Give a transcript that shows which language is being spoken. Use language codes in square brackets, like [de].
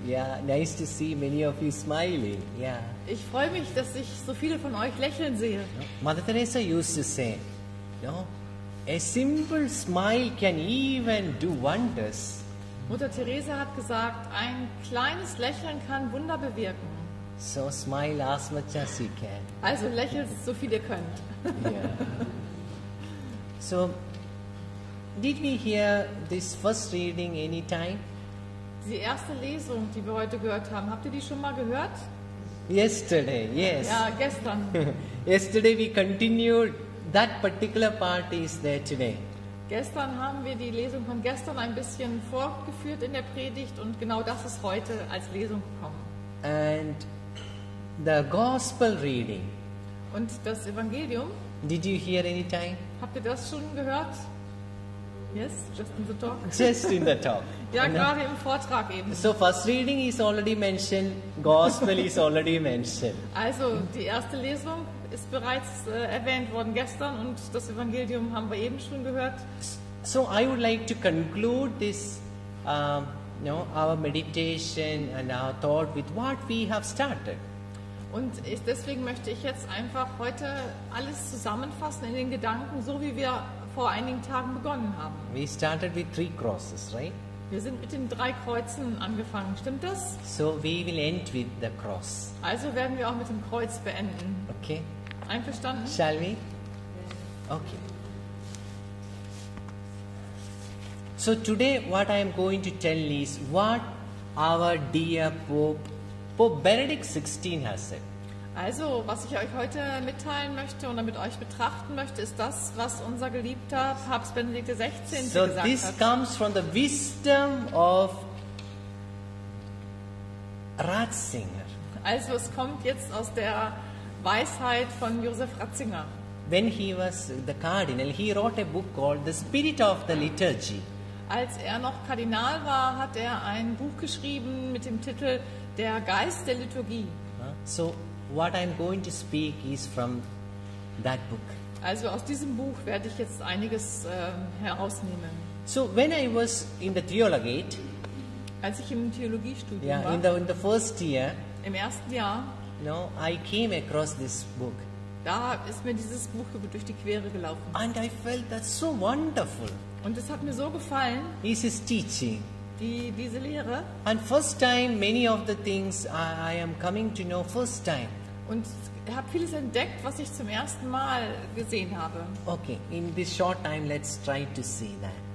[en] Yeah, nice to see many of you smiling. Yeah. [de] Ich freue mich, dass ich so viele von euch lächeln sehe. [en] Mother Teresa used to say, no, a simple smile can even do wonders. [de] Mutter Teresa hat gesagt, ein kleines Lächeln kann Wunder bewirken. [en] So smile as much as you can. [de] Also lächelt so viel ihr könnt. [en] Yeah. So. Did we hear this first reading any time? [de] Die erste Lesung, die wir heute gehört haben, habt ihr die schon mal gehört? [en] Yesterday, yes. [de] Ja, gestern. [en] Yesterday we continued, that particular part is there today. [de] Gestern haben wir die Lesung von gestern ein bisschen fortgeführt in der Predigt und genau das ist heute als Lesung gekommen. [en] And the gospel reading. [de] Und das Evangelium. [en] Did you hear any time? [de] Habt ihr das schon gehört? [en] Yes, just in the talk. Just in the talk. [de] Ja, and gerade im Vortrag eben. [en] So first reading is already mentioned, gospel is already mentioned. [de] Also die erste Lesung ist bereits erwähnt worden gestern und das Evangelium haben wir eben schon gehört. [en] So I would like to conclude this, our meditation and our thought with what we have started. [de] Und deswegen möchte ich jetzt einfach heute alles zusammenfassen in den Gedanken, so wie wir vor einigen Tagen begonnen haben. [en] We started with three crosses, right? [de] Wir sind mit den drei Kreuzen angefangen, stimmt das? [en] So we will end with the cross. [de] Also werden wir auch mit dem Kreuz beenden. [en] Okay. [de] Einverstanden? [en] Shall we? Okay. So today what I am going to tell is what our dear Pope Benedict XVI has said. [de] Also, was ich euch heute mitteilen möchte und damit euch betrachten möchte, ist das, was unser geliebter Papst Benedikt XVI so gesagt hat. [en] So, this comes from the wisdom of Ratzinger. [de] Also, es kommt jetzt aus der Weisheit von Josef Ratzinger. [en] When he was the cardinal, he wrote a book called The Spirit of the Liturgy. [de] Als er noch Kardinal war, hat er ein Buch geschrieben mit dem Titel Der Geist der Liturgie. [en] So, what I'm going to speak is from that book. [de] Also aus diesem Buch werde ich jetzt einiges herausnehmen. [en] So when I was in the theologate, [de] als ich im Theologiestudium [en] yeah, [de] war, [en] in the first year, [de] im ersten Jahr, [en] I came across this book. [de] Da ist mir dieses Buch durch die Quere gelaufen. [en] And I felt that so wonderful. [de] Und es hat mir so gefallen. [en] Is his teaching. [de] Diese Lehre. [en] And first time many of the things I am coming to know first time. [de] Und habe vieles entdeckt, was ich zum ersten Mal gesehen habe. [en] Okay, in this short time let's try to see that.